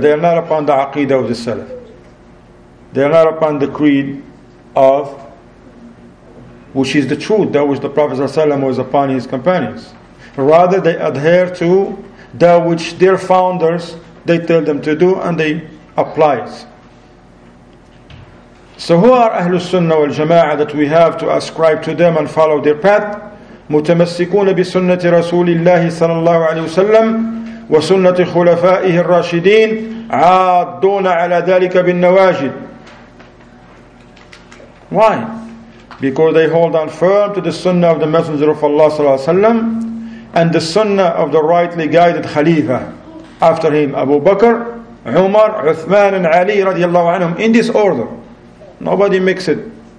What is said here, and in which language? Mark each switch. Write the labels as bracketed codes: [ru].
[en] They are not upon the aqidah of the Salaf. They are not upon the creed of, which is the truth, that which the Prophet ﷺ was upon his companions. Rather, they adhere to that which their founders, they tell them to do and they apply it. So who are Ahlul Sunnah wal Jama'ah that we have to ascribe to them and follow their path? [ar] متمسكون بسنة رسول الله صلى الله عليه وسلم وسنة خلفائه الراشدين عادون على ذلك بالنواجد. [en] Why? Because they hold on firm to the Sunnah of the Messenger of Allah صلى الله عليه وسلم and the Sunnah of the rightly guided Khalifa after him, Abu Bakr, Umar, Uthman and Ali رضي الله عنهم, in this order. Nobody mix it.